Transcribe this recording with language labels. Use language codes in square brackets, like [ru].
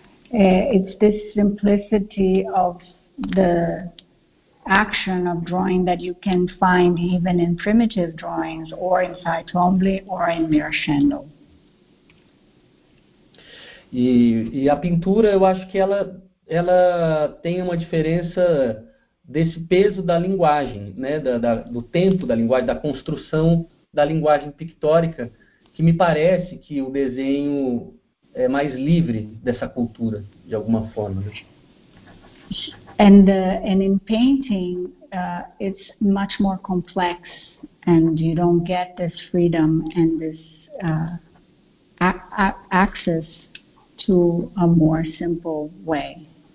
[en] It's this simplicity of the action of drawing that you can find even in primitive drawings or in Cy Twombly or in Mira Schendel. [pt] E a pintura, eu acho que ela tem uma diferença desse peso da linguagem, né, do tempo da linguagem, da construção da linguagem pictórica, que me parece que o desenho é mais livre dessa cultura, de alguma forma. [en] And in painting, it's much more complex, and you don't get this freedom and this access to a more simple way.